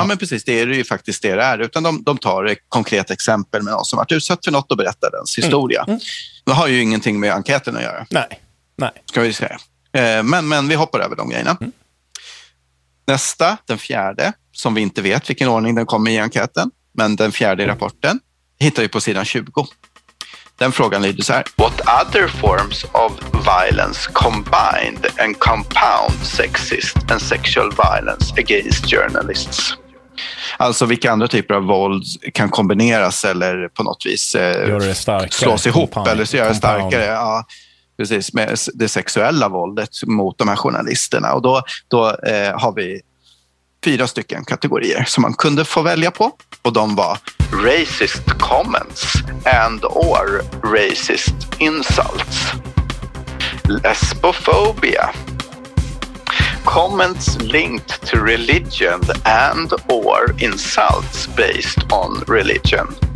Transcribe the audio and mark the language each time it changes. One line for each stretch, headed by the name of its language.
Swedish: Ja, men precis, det är det ju faktiskt det är. Utan de tar ett konkret exempel med någon som har varit utsatt för något och berättar den historia. Mm. Det har ju ingenting med enkäten att göra. Nej. Ska vi säga. Men vi hoppar över de grejerna. Mm. Nästa, den fjärde, som vi inte vet vilken ordning den kommer i enkäten, men den fjärde i rapporten, hittar vi på sidan 20. Den frågan lyder så här.
English: What other forms of violence combined and compound sexist and sexual violence against journalists?
Swedish: Alltså vilka andra typer av våld kan kombineras eller på något vis slås ihop eller så gör det starkare, ja, precis, med det sexuella våldet mot de här journalisterna. Och då har vi fyra stycken kategorier som man kunde få välja på. Och de var
English: racist comments and or racist insults, lesbophobia, comments linked to religion and or insults based on religion.